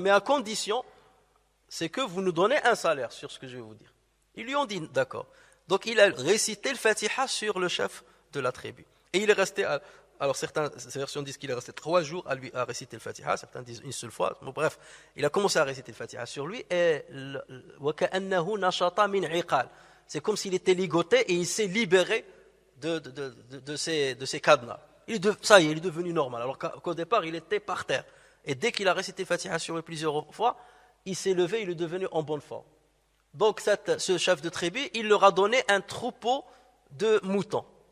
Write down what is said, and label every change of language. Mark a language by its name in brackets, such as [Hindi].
[French] Mais à condition, c'est que vous nous donnez un salaire sur ce que je vais vous dire. Ils lui ont dit d'accord. Donc, il a récité le Fatiha sur le chef de la tribu. Et il est resté, alors certaines versions disent qu'il est resté 3 jours à réciter le Fatiha, certains disent une seule fois. Bon, bref, il a commencé à réciter le Fatiha sur lui. Et [Arabic] وَكَأَنَّهُ نَشَطَ مِنْ عِقَالٍ. [French] C'est comme s'il était ligoté et il s'est libéré de ses cadenas. Il est devenu normal. Alors qu'au départ, il était par terre. Et dès qu'il a récité le Fatiha sur lui plusieurs fois, il s'est levé, il est devenu en bonne forme. Donc ce chef de tribu, il leur a donné un troupeau de moutons.